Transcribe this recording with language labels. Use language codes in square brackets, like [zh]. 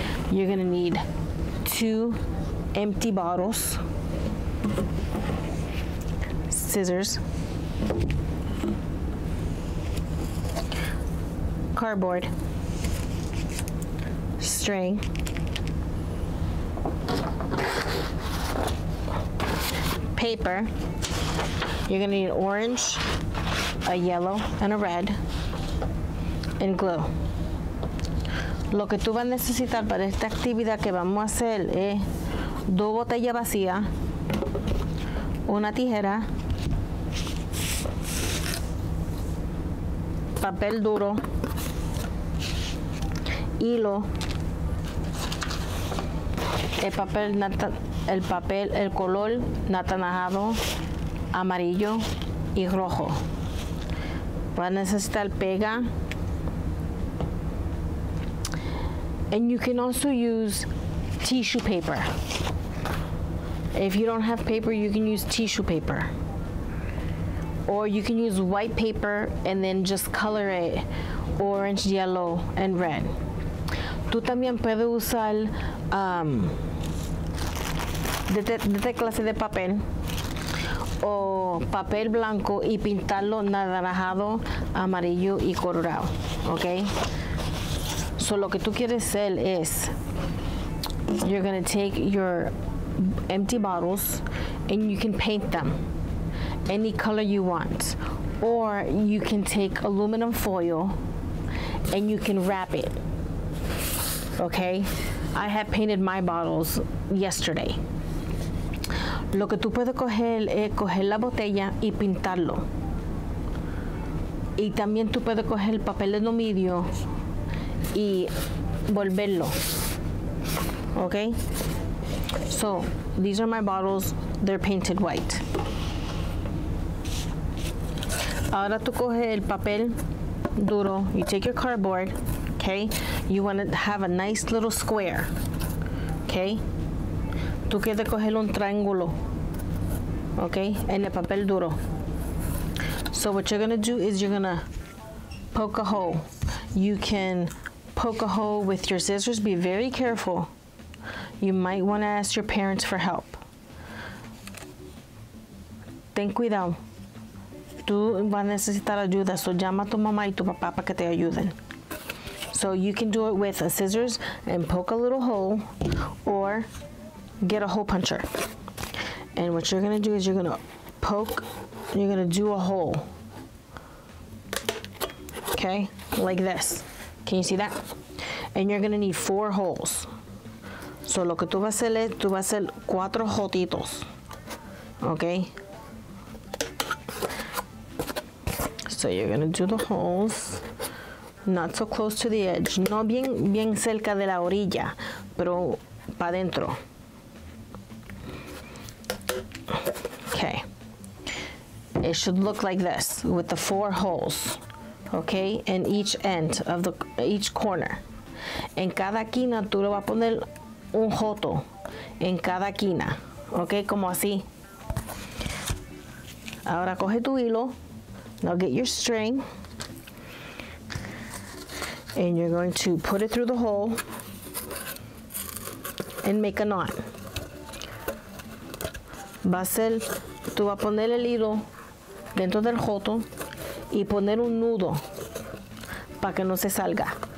[en] You're going to need two empty bottles, scissors, cardboard, string, paper. You're going to need orange, a yellow and a red, and glue. [es] Lo que tú vas a necesitar para esta actividad que vamos a hacer es dos botellas vacías, una tijera, papel duro, hilo, el color natanajado, amarillo y rojo. Vas a necesitar pega. [en] And you can also use tissue paper. If you don't have paper, you can use tissue paper. Or you can use white paper and then just color it orange, yellow, and red. [es] Tú también puedes usar de clase de papel o papel blanco y pintarlo naranjado, amarillo y colorado, okay? [en] So [es] lo que tú quieres hacer es, [en] you're gonna take your empty bottles and you can paint them any color you want. Or you can take aluminum foil and you can wrap it, okay? I have painted my bottles yesterday. [es] Lo que tú puedes coger es coger la botella y pintarlo. Y también tú puedes coger papel de aluminio y volverlo. [en] Okay? So, these are my bottles. They're painted white. [es] Ahora tú coges el papel duro. [en] You take your cardboard, okay? You want to have a nice little square, okay? [es] Tú quieres coger un triángulo. Okay, en el papel duro. [en] So what you're gonna do is you're gonna poke a hole. You can poke a hole with your scissors. Be very careful. You might wanna ask your parents for help. [es] Ten cuidado. Tú vas a necesitar ayuda, so llama a tu mamá y tu papá para que te ayuden. [en] So you can do it with a scissors and poke a little hole or get a hole puncher. And what you're gonna do is you're gonna poke, you're gonna do a hole. Okay, like this. Can you see that? And you're gonna need four holes. [es] So lo que tú vas a hacer es, tú vas a hacer cuatro jotitos. Okay? [en] So you're gonna do the holes. Not so close to the edge. [es] No bien, bien cerca de la orilla, pero para adentro. [en] Okay, it should look like this with the four holes, okay, in each end of the each corner. [es] En cada quina tú le vas a poner un joto en cada quina, okay, como así. Ahora coge tu hilo, [en] now get your string, and you're going to put it through the hole and make a knot. [es] Va a ser, tú vas a poner el hilo dentro del joto y poner un nudo para que no se salga.